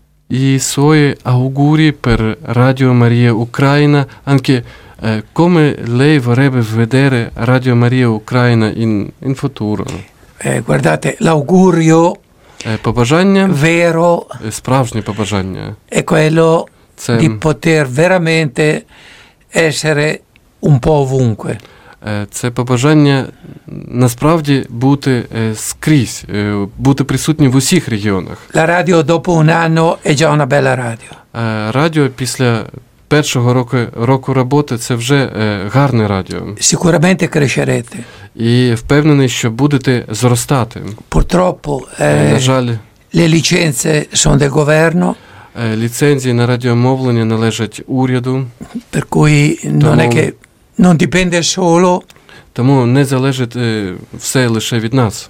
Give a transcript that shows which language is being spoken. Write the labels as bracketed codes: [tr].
[it] I suoi auguri per Radio Maria Ucraina, anche come lei vorrebbe vedere Radio Maria Ucraina in futuro? Guardate, l'augurio... [uk] Побажання, [it] vero, [uk] справжнє побажання, [it] è quello di poter veramente essere un po' ovunque. [uk] Це побажання насправді бути скрізь, бути присутнім в усіх регіонах. [it] La radio dopo un anno è già una bella radio. [uk] Радіо після першого року роботи – це вже гарне радіо. [it] Sicuramente crescerete. [uk] І впевнений, що будете зростати. [it] Purtroppo, [uk] на жаль, [it] le licenze sono del governo. [uk] Ліцензії на радіомовлення належать уряду. [it] Per cui non è che non dipende solo. [uk] Тому не залежить все лише від нас.